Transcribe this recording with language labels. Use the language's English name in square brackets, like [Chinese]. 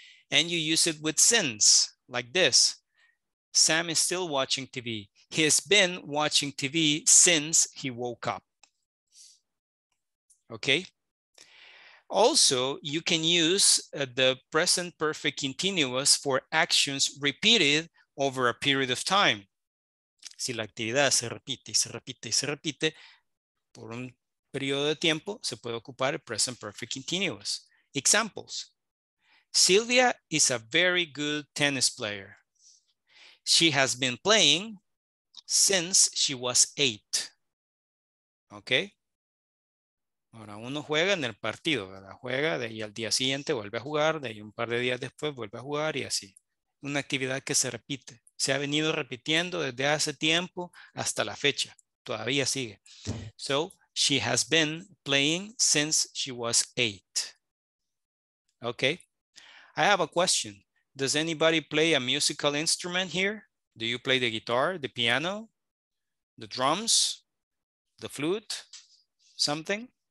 [English] And you use it with since, like this. Sam is still watching TV. He has been watching TV since he woke up. Okay. Also, you can use the present perfect continuous for actions repeated over a period of time. [Spanish] Si la actividad se repite y se repite y se repite por un periodo de tiempo, se puede ocupar el present perfect continuous. [English] Examples. Silvia is a very good tennis player. She has been playing since she was 8. Okay. [Spanish] Ahora uno juega en el partido, ¿verdad? Juega de ahí al día siguiente, vuelve a jugar, de ahí un par de días después vuelve a jugar y así. Una actividad que se repite. Se ha venido repitiendo desde hace tiempo hasta la fecha. Todavía sigue. [English] So, she has been playing since she was 8. Okay. I have a question. Does anybody play a musical instrument here? Do you play the guitar, the piano, the drums, the flute, something?